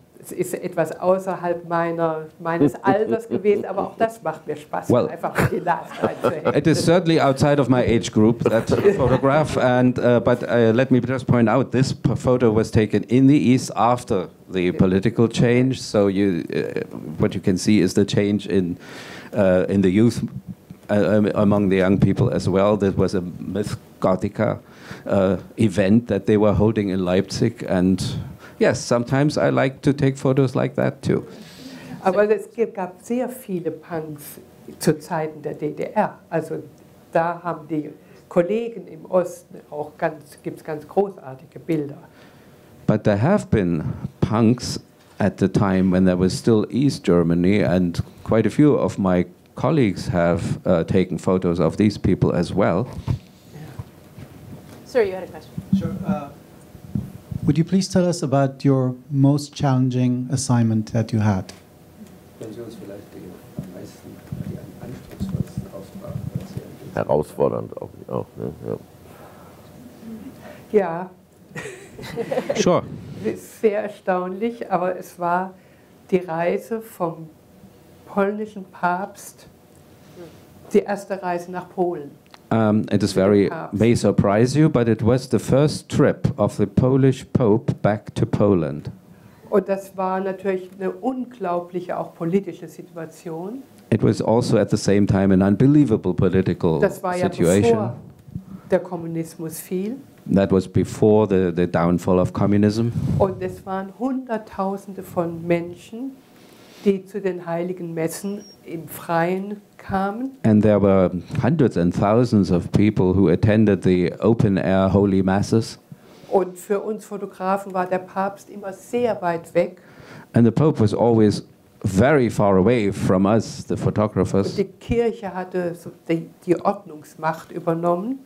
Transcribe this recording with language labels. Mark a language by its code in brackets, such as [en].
[de] ist etwas außerhalb meines Alters gewesen, aber auch das macht mir Spaß, well, einfach die Last Line zu hängen. [en] It is certainly outside of my age group, that photograph, and but let me just point out, this photo was taken in the East after the political change, so you what you can see is the change in the youth, among the young people as well. This was a Miss Gothica event that they were holding in Leipzig, and yes, sometimes I like to take photos like that too. [de] Aber es gab sehr viele Punks zu Zeiten der DDR. Also da haben die Kollegen im Osten auch ganz, gibt's ganz großartige Bilder. [en] But there have been punks at the time when there was still East Germany, and quite a few of my colleagues have taken photos of these people as well. Sir, you had a question. Sure. Would you please tell us about your most challenging assignment that you had? [de] Herausfordernd auch. Ja. Ja. [en] Sure. [de] Sehr erstaunlich, aber es war die Reise vom polnischen Papst, die erste Reise nach Polen. [en] It is very, may surprise you, but it was the first trip of the Polish Pope back to Poland. [de] Und das war natürlich eine unglaubliche, auch politische Situation. [en] It was also at the same time an unbelievable political situation. [de] Das war ja bevor der Kommunismus fiel. [en] That was before the downfall of communism. [de] Und es waren Hunderttausende von Menschen, die zu den heiligen Messen im Freien kamen. [en] And there were hundreds and thousands of people who attended the open-air holy masses. [de] Und für uns Fotografen war der Papst immer sehr weit weg. [en] And the Pope was always very far away from us, the photographers. [de] Und die Kirche hatte so die Ordnungsmacht übernommen.